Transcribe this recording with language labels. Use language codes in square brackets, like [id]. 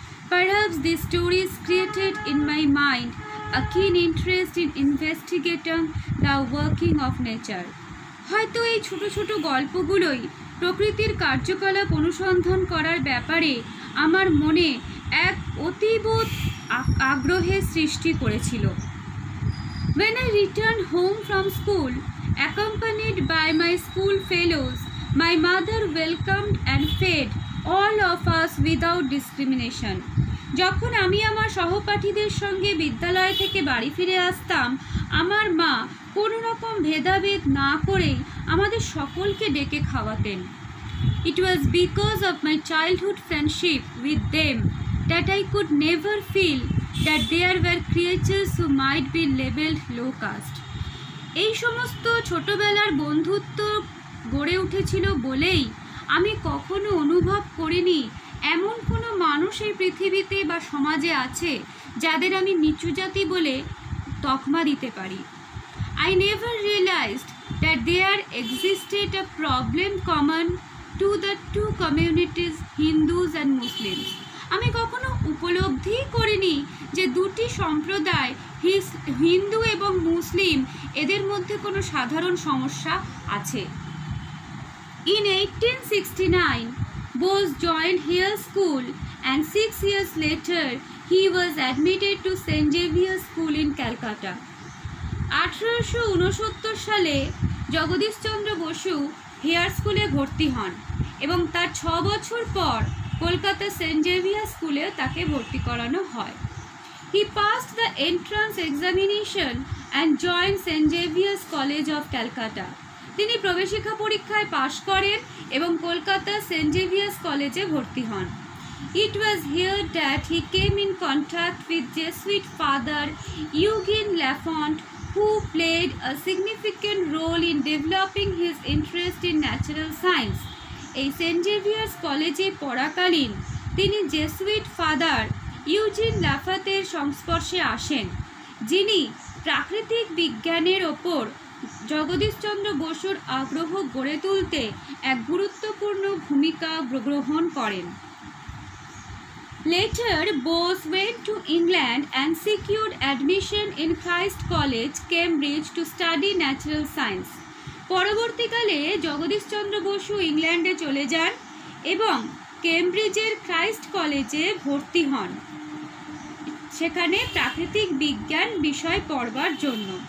[en] Perhaps this stories created in my mind a keen interest in investigating the working of nature. [bn] হয়তো এই ছোটো ছোটো গল্পগুলোই প্রকৃতির কার্যকলাপ অনুসন্ধান করার ব্যাপারে আমার মনে এক অতীব আগ্রহের সৃষ্টি করেছিল। [en] When I returned home from school, accompanied by my school fellows, my mother welcomed and fed all of us without discrimination. [bn] যখন আমি আমার সহপাঠীদের সঙ্গে বিদ্যালয় থেকে বাড়ি ফিরে আসতাম, আমার মা কোনো রকম ভেদাভেদ না করেই আমাদের সকলকে ডেকে খাওয়াতেন। [en] It was because of my childhood friendship with them that I could never feel that there were creatures who might be labeled low caste. [bn] এই সমস্ত ছোটবেলার বন্ধুত্ব গড়ে উঠেছিল বলেই আমি কখনো অনুভব করিনি এমন কোনো মানুষ এই পৃথিবীতে বা সমাজে আছে যাদের আমি নিচু জাতি বলে তকমা দিতে পারি। [en] I never realized that there existed a problem common to the two communities, Hindus and Muslims. [bn] আমি কখনো উপলব্ধি করিনি যে দুটি সম্প্রদায় হিন্দু এবং মুসলিম এদের মধ্যে কোনো সাধারণ সমস্যা আছে। [en] In 1869, Bose joined Hill School and 6 years later, he was admitted to St. Xavier's School in Calcutta. [bn] 1869 সালে জগদীশচন্দ্র বসু হেয়ার স্কুলে ভর্তি হন এবং তার 6 বছর পর কলকাতা সেন্ট জেভিয়ার স্কুলে তাকে ভর্তি করানো হয়। [en] He passed the entrance examination and joined saint Xavier's college of Calcutta. [bn] তিনি প্রবেশিকা পরীক্ষায় পাশ করেন এবং কলকাতা সেন্ট জেভিয়ার্স কলেজে ভর্তি হন। [en] It was here that he came in contact with Jesuit father Eugene Lafont, who played a significant role in developing his interest in natural science. [bn] এই Saint Xavier's কলেজে পড়াকালীন তিনি জেসুইট ফাদার ইউজিন লাফাতের সংস্পর্শে আসেন, যিনি প্রাকৃতিক বিজ্ঞানের ওপর জগদীশচন্দ্র বসুর আগ্রহ গড়ে তুলতে এক গুরুত্বপূর্ণ ভূমিকা গ্রহণ করেন। [en] Later, Bose went to England and secured admission in Christ College, Cambridge to study natural science. [bn] পরবর্তীকালে জগদীশচন্দ্র বসু ইংল্যান্ডে চলে যান এবং কেমব্রিজের ক্রাইস্ট কলেজে ভর্তি হন, সেখানে প্রাকৃতিক বিজ্ঞান বিষয় পড়বার জন্য।